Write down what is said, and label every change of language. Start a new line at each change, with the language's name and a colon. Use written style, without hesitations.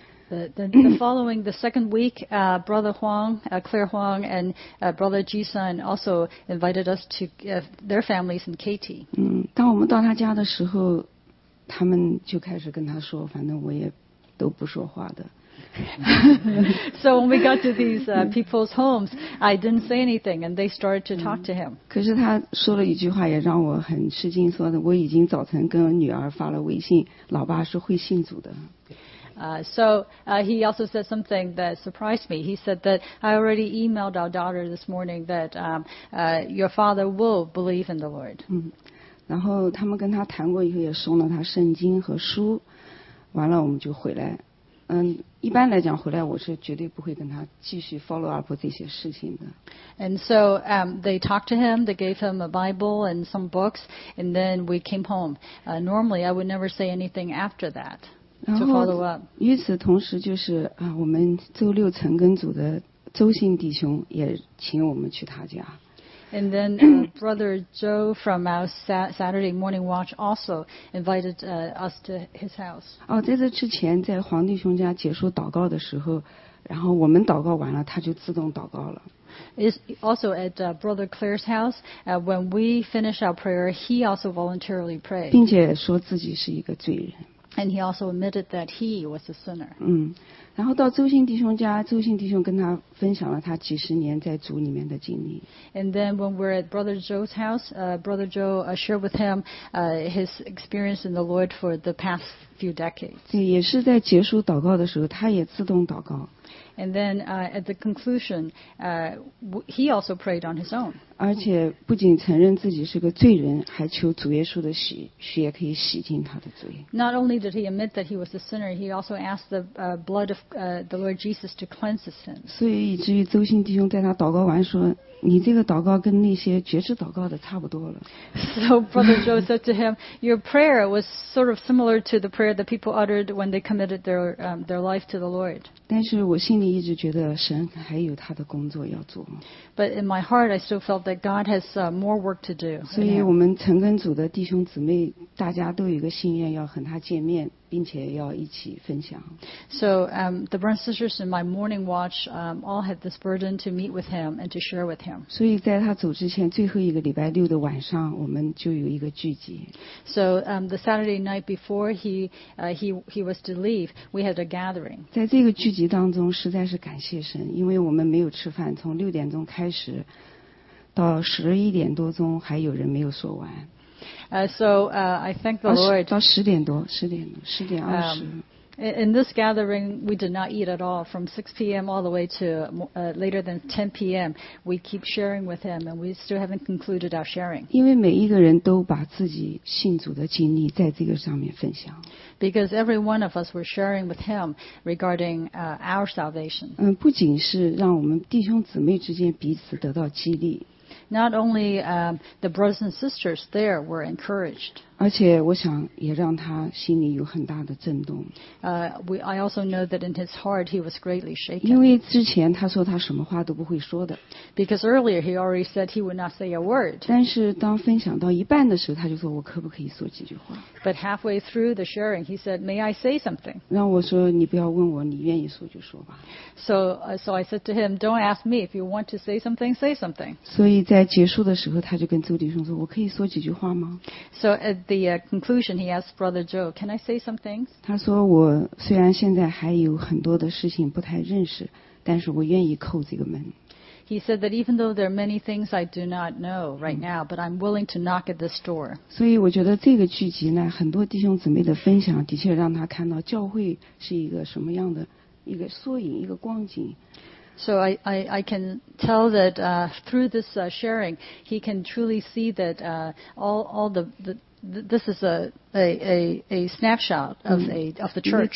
English: the following the second week Brother Huang Claire Huang and Brother Jisun also invited us to their families in KT
Chinese: 当我们到他家的时候他们就开始跟他说反正我也都不说话的
English: So when we got to these people's homes, I didn't say anything, and they started to talk to him.
Chinese: 可是他说了一句话也让我很吃惊，说的我已经早晨跟女儿发了微信，老爸是会信主的。
English: He also said something that surprised me. He said that I already emailed our daughter this morning that your father will believe in the Lord.
Chinese: 然后他们跟他谈过以后，也送了他圣经和书，完了我们就回来。一般来讲回来我是绝对不会跟他继续
English: follow up
Chinese: 这些事情的。
English: And so they talked to him, they gave him a Bible and some books, and then we came home. Normally I would never say anything after that to follow up.
Chinese: 与此同时就是我们周六晨更组的周姓弟兄也请我们去他家。
English: And then Brother Joe from our Saturday morning watch also invited us to his house.
Chinese: 在这之前在黄弟兄家结束祷告的时候然后我们祷告完了他就自动祷告了。
English: It's also at Brother Claire's house. When we finish our prayer, he also voluntarily prayed.
Chinese: 并且说自己是一个罪人。
English: And he also admitted that he was a sinner.
Chinese: 然后到周姓弟兄家，周姓弟兄跟他分享了他几十年在主里面的经历。
English: And then when we're at Brother Joe's house, Brother Joe shared with him his experience in the Lord for the past few decades.
Chinese: 对，也是在结束祷告的时候，他也自动祷告。
English: And then at the conclusion, he also prayed on his own.
Chinese: 而且不仅承认自己是个罪人，还求主耶稣的洗，血可以洗净他的罪。
English: Not only did he admit that he was a sinner, he also asked the blood of the Lord Jesus to cleanse his sin.
Chinese: 所以以至于周兴弟兄在他祷告完说，你这个祷告跟那些觉知祷告的差不多了。
English: So Brother Joe said to him, your prayer was sort of similar to the prayer that people uttered when they committed their life to the Lord.
Chinese: 但是我心里一直觉得神还有他的工作要做。
English: But in my heart, I still felt that God has more work to do.
Chinese: 所以我们成根组的弟兄姊妹，大家都有一个心愿，要和他见面，并且要一起分享。
English: So the brothers and sisters in my morning watch all had this burden to meet with him and to share with him.
Chinese: 所以在他走之前，最后一个礼拜六的晚上，我们就有一个聚集。
English: So the Saturday night before he was to leave, we had a gathering.
Chinese: 在这个聚集当中，实在是感谢神，因为我们没有吃饭，从六点钟开始到十一点多钟，还有人没有说完。
English: I thank the Lord.
Chinese: 到十点多，十点，十点二十。
English: In this gathering, we did not eat at all from 6 p.m. all the way to later than 10 p.m. We keep sharing with him, and we still haven't concluded our sharing.
Chinese: 因为每一个人都把自己信主的经历在这个上面分享。
English: Because every one of us were sharing with him regarding our salvation.
Chinese: 不仅是让我们弟兄姊妹之间彼此得到激励。
English: Not only the brothers and sisters there were encouraged.
Chinese: 而且我想也让他心里有很大的震动。
English: I also know that in his heart he was greatly shaken.
Chinese: 因为之前他说他什么话都不会说的。
English: Because earlier he already said he would not say a word.
Chinese: 但是当分享到一半的时候，他就说我可不可以说几句话。
English: But halfway through the sharing, he said, "May I say something?"
Chinese: 让我说你不要问我，你愿意说就说吧。
English: So I said to him, "Don't ask me. If you want to say something, say something."
Chinese: 所以在结束的时候，他就跟周弟兄说：“我可以说几句话吗？”
English: So at the conclusion, he asked Brother Joe, "Can I say some things?"
Chinese: 他说：“我虽然现在还有很多的事情不太认识，但是我愿意叩这个门。”
English: He said that even though there are many things I do not know right now, but I'm willing to knock at this door.
Chinese: 所以我觉得这个聚集呢，很多弟兄姊妹的分享，的确让他看到教会是一个什么样的一个缩影，一个光景。
English: So I can tell that through this sharing, he can truly see that all the this is a snapshot of of the church.